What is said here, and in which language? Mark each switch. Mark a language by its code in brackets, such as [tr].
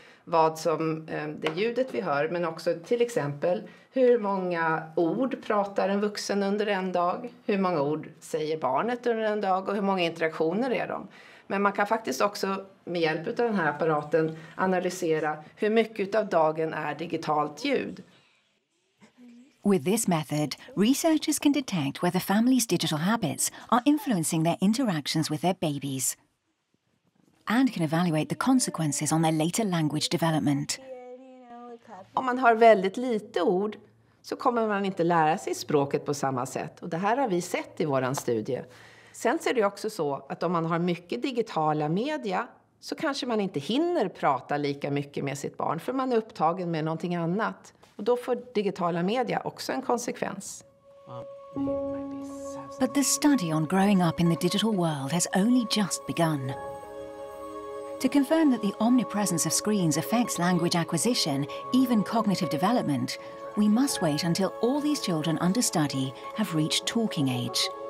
[sv] vad som det ljudet vi hör, men också till exempel hur många ord pratar en vuxen under en dag, hur många ord säger barnet under en dag och hur många interaktioner är de. Men man kan faktiskt också med hjälp av den här apparaten analysera hur mycket av dagen är digitalt ljud. [en] With this method, researchers can detect whether families' digital habits are influencing their interactions with their babies and can evaluate the consequences on their later language development. [sv] Om man har väldigt lite ord så kommer man inte lära sig språket på samma sätt. Och det här har vi sett i våran studie. Sen ser det också så att om man har mycket digitala media så kanske man inte hinner prata lika mycket med sitt barn för man är upptagen med någonting annat. Och då får digitala media också en konsekvens. [en] But the study on growing up in the digital world has only just begun. To confirm that the omnipresence of screens affects language acquisition, even cognitive development, we must wait until all these children under study have reached talking age.